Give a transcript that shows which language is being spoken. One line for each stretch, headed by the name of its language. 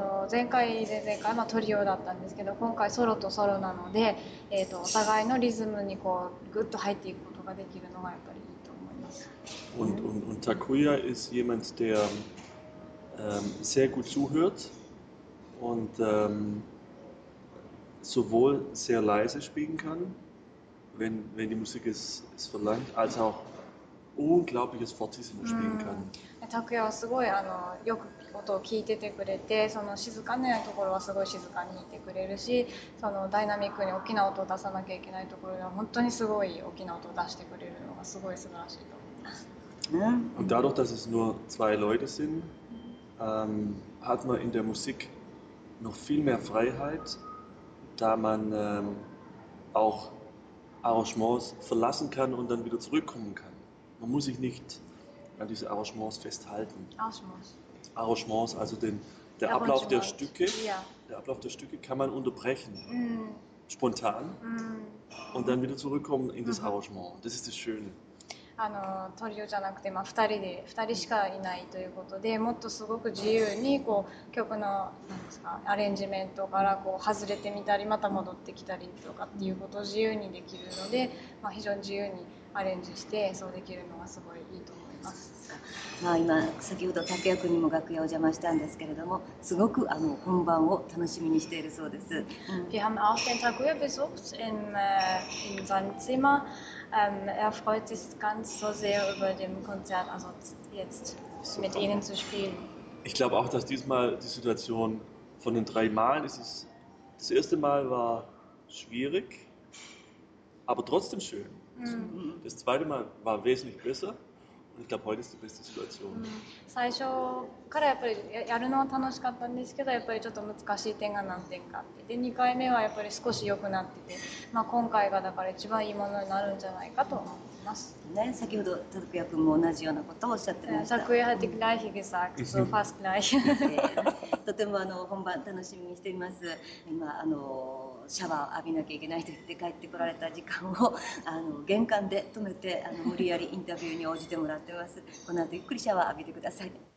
Japanese: 前回トリオだったんですけど、今回ソロとソロなので、お互いのリズムにグッと入っていくことができるのがやっぱりいいと思います。
German: Und Takuya ist jemand, der sehr gut zuhört und sowohl sehr leise spielen kann, wenn die Musik es verlangt, als auch unglaubliches Fortissimo spielen kann. Takuya ist sehr,
Japanese: 音を聞いててくれて、その静かなところはすごい静かにいてくれるし、そのダイナミックに大きな音を出さなきゃいけないところでは本当にすごい大きな音を出してくれるのがすごい素晴らしいと思います。
German: Und dadurch, dass es nur zwei Leute sind, hat man in der Musik noch viel mehr Freiheit, da man auch Arrangements verlassen kann und dann wieder zurückkommen kann. Man muss sich nicht an diese Arrangements festhalten. Arrangements, also der Ablauf der Stücke, der Ablauf der Stücke kann man unterbrechen, spontan, und dann wieder zurückkommen in das Arrangement. Das ist das Schöne.
Japanese: トリオじゃなくて、まあ、2人しかいないということで、もっとすごく自由にこう曲のなんですかアレンジメントからこう外れてみたり、また戻ってきたりとかっていうことを自由にできるので、まあ、非常に自由にアレンジして演奏できるのがすごいいいと思います。まあ、今先ほど竹谷君にも楽屋を邪魔したんですけれども、すごく本番を楽しみにしているそうです。
German: Wir haben auch den Takuya besucht in seinem Zimmer. Freut sich ganz so sehr über dem Konzert, also jetzt mit Ihnen zu spielen. Ich glaube auch, dass diesmal die Situation von den drei Malen ist es. Das erste Mal war schwierig, aber trotzdem schön. Das zweite Mal war wesentlich besser. Ich glaube, heute ist die beste Situation.
Japanese: 最初からやっぱりやるのは楽しかったんですけど、やっぱりちょっと難しい点が何点かあって、で2回目はやっぱり少し良くなってて、まあ、今回がだから一番いいものになるんじゃないかと思います。ね、先ほど拓也君も同じようなことをおっしゃってました。
German: 拓也 hat gleich gesagt, so fast gleich.
Japanese: とても本番楽しみにしています。今シャワーを浴びなきゃいけないと言って帰ってこられた時間を玄関で止めて無理やりインタビューに応じてもらってます。この後ゆっくりシャワー浴びてください。